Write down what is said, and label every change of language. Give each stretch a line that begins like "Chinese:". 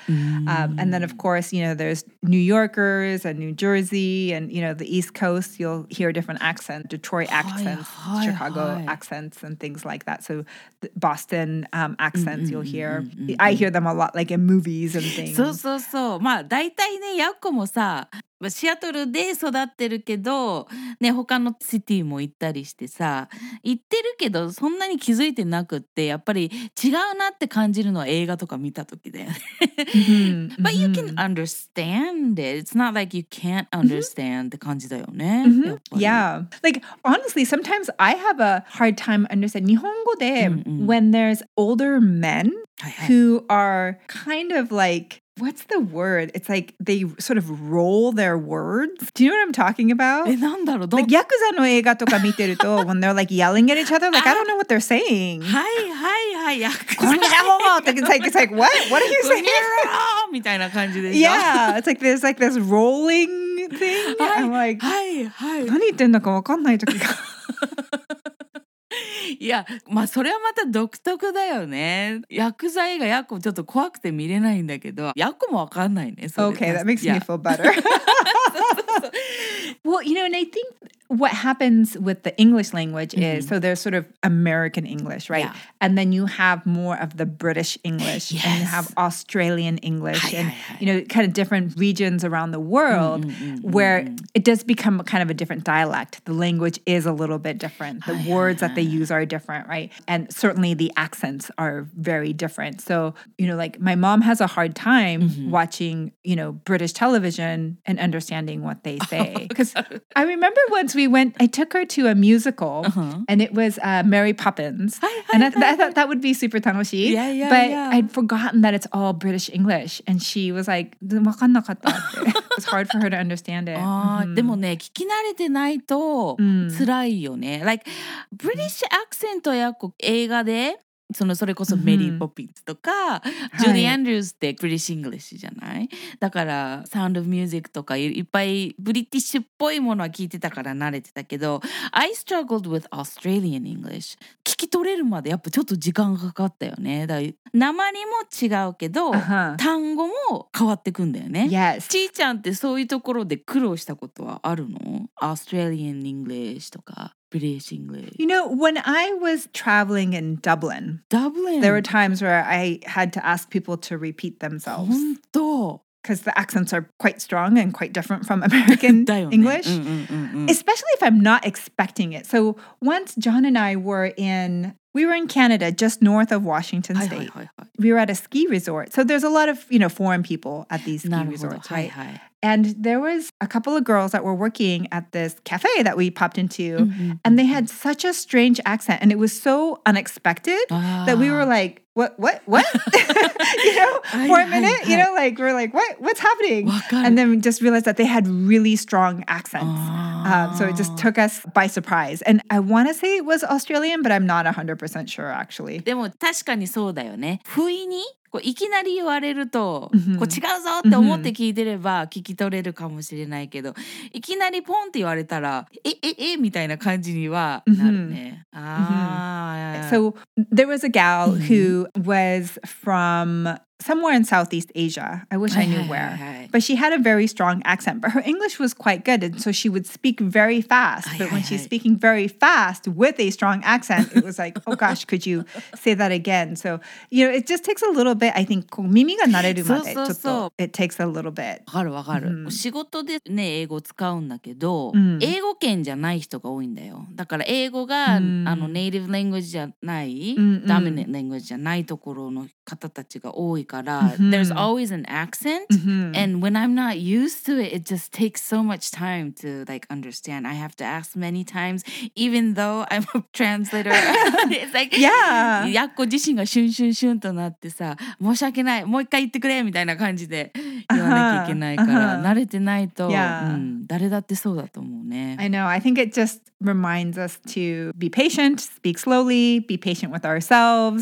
English: And then, of course, you know, there's New Yorkers and New Jersey and, you know, the East Coast, you'll hear different accents, Detroit accents, Chicago accents and things like that. So Boston accents you'll hear. I hear them a lot, like in movies and things.
Japanese: そうそうそう。まあ、だいたいね、ヤッコもさ、シアトルで育ってるけど、ね、他のシティも行ったりしてさ、行ってるけどそんなに気づいてなくって、やっぱり違うなって感じるのは映画とか見た時だよね。
English: mm-hmm. But you can understand it. It's not like you can't understand
Japanese: って感じだよね。
English: Mm-hmm. Yeah. Like, honestly, sometimes I have a hard time understanding.
Japanese: 日本語で、
English: when there's older men who are kind of like... What's the word? It's like they sort of roll their words. Do you know what I'm talking about?
Japanese: え、なんだろう?
English: Like, Yakuza
Japanese: の映画とか見てると、
English: when they're like yelling at each other, like, I don't know what they're saying.
Japanese: はいはいはい、
English: Yakuza。
Japanese: この野郎!
English: It's like, what? What are you saying?
Japanese: みたいな感じでしょ?
English: Yeah, it's like there's like this rolling thing. I'm like,
Japanese: はいはい。何言ってんだかわかんない時が。いや、まあそれはまた独特だよね。ヤクザ映画、ヤクちょっと怖くて見れないんだけど、ヤクもわかんないね。
English: Okay, that makes me feel better. Well, you know, and I think what happens with the English language is, so there's sort of American English, right? Yeah. And then you have more of the British English, and you have Australian English, and, you know, kind of different regions around the world, where it does become kind of a different dialect. The language is a little bit different. The words that they use are different, right? And certainly the accents are very different. So, you know, like my mom has a hard time watching, you know, British television and understanding what they say. Because I remember once we went, I took her to a musical and it was Mary Poppins. I thought that would be super tanoshi. Yeah, but I'd forgotten that it's all British English. And she was like,
Japanese: わかんなかった
English: It's hard for her to understand it.
Japanese: でもね、聞き慣れてないと辛いよね。
English: Like, British accent
Japanese: は映画で、そのそれこそメリー・ポピンズとか、ジュリー・アンドリューズってブリティッシュ・イングリッシュじゃない？だからサウンド・オブ・ミュージックとかいっぱいブリティッシュっぽいものは聞いてたから慣れてたけど、
English: I struggled with Australian English.
Japanese: 聞き取れるまでやっぱちょっと時間がかかったよね。だから訛りも違うけど、単語も変わってくんだよね。
English: Yes.
Japanese: ちーちゃんってそういうところで苦労したことはあるの？
English: Australian English とか。British English. You know, when I was traveling in Dublin, there were times where I had to ask people to repeat themselves.
Japanese: 本当?
English: Because the accents are quite strong and quite different from American English. Especially if I'm not expecting it. So once John and I were in... We were in Canada, just north of Washington State. We were at a ski resort. So there's a lot of, you know, foreign people at these ski resorts, right? And there was a couple of girls that were working at this cafe that we popped into. And they had such a strange accent. And it was so unexpected that we were like, what? you know, for a minute, you know, like, we're like, what's happening? And then we just realized that they had really strong accents. So it just took us by surprise. And I want to say it was Australian, but I'm not 100% sure, actually.
Japanese: でも確かにそうだよね。不意にこういきなり言われると、こう違うぞって思って聞いてれば聞き取れるかもしれないけど、いきなりポンって言われたら、ええみたいな感じにはなるね。
English: So there was a gal who was from... Somewhere in Southeast Asia. I wish I knew where. But she had a very strong accent. But her English was quite good. And so she would speak very fast. But when she's speaking very fast with a strong accent, it was like, oh gosh, could you say that again? So, you know, it just takes a little bit. I think,
Japanese: 耳が慣れるまで、ちょっと、
English: it takes a little bit.
Japanese: わかるわかる。仕事でね、英語使うんだけど、英語圏じゃない人が多いんだよ。だから英語が、あの、ネイティブラングジじゃない、ダミネットラングジじゃないところの方たちが多いから、
English: there's always an accent, and when I'm not used to it, it just takes so much time to like understand. I have to ask many times, even though I'm a translator. It's like, yeah,
Japanese: ヤッコ自身がシュンシュンシュンとなってさ、申し訳ない、もう一回言ってくれみたいな感じで言わなきゃいけないから、慣れてないと、誰だってそうだと思うね。
English: I know. I think it just reminds us to be patient, speak slowly, be patient with ourselves.